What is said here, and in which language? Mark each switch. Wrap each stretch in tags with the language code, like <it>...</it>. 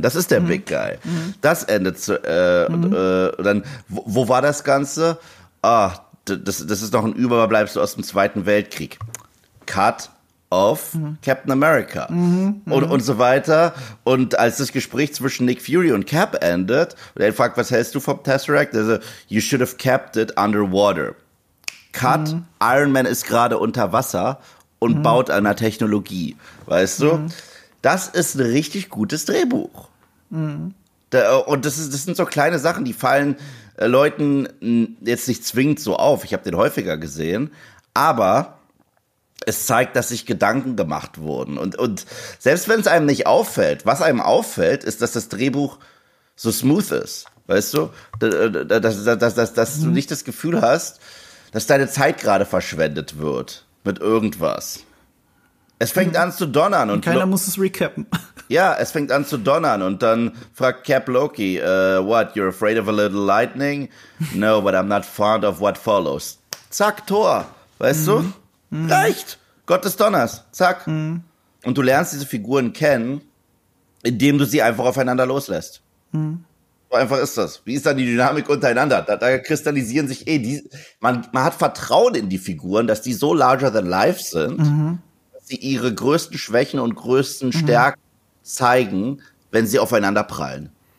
<de>Das ist der Big Guy. Mhm. Das endet zu, dann, wo war das Ganze? Ah, das ist noch ein Überbleibsel aus dem Zweiten Weltkrieg. Cut off Captain America. Und so weiter. Und als das Gespräch zwischen Nick Fury und Cap endet, und er fragt, was hältst du vom Tesseract?</de> <en>Also, you should have kept it underwater.</en> <de>Cut, Iron Man ist gerade unter Wasser und baut an einer Technologie. Weißt du? Das ist ein richtig gutes Drehbuch. Und das sind so kleine Sachen, die fallen Leuten jetzt nicht zwingend so auf. Ich habe den häufiger gesehen. Aber es zeigt, dass sich Gedanken gemacht wurden. Und selbst wenn es einem nicht auffällt, was einem auffällt, ist, dass das Drehbuch so smooth ist. Weißt du? Dass du nicht das Gefühl hast, dass deine Zeit gerade verschwendet wird mit irgendwas. Es fängt an zu donnern. Und keiner muss es recappen. Ja, es fängt an zu donnern und dann fragt Cap Loki,</de> <en>what, you're afraid of a little lightning? No, but I'm not fond of what follows.</en> <de>Zack, Tor, weißt du? Reicht, Gott des Donners, zack. Und du lernst diese Figuren kennen, indem du sie einfach aufeinander loslässt. Einfach ist das. Wie ist dann die Dynamik untereinander? Da kristallisieren sich man hat Vertrauen in die Figuren, dass die so</de> <en>larger than life</en> <de>sind, dass sie ihre größten Schwächen und größten Stärken zeigen, wenn sie aufeinander prallen.</de>